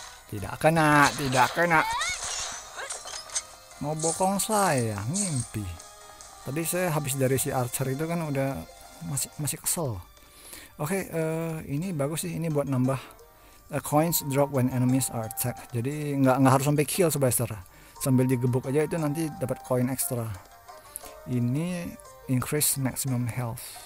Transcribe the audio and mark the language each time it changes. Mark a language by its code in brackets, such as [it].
[id] Tidak kena. Mau bokong saya, ngimpi. Tadi saya habis dari si Archer itu kan udah masih kesel. Oke, ini bagus sih, ini buat nambah. [en] Coins drop when enemies are attacked. [id] Jadi nggak harus sampai kill sebaster. Sambil digebuk aja itu nanti dapat koin ekstra. Ini [en] increase maximum health.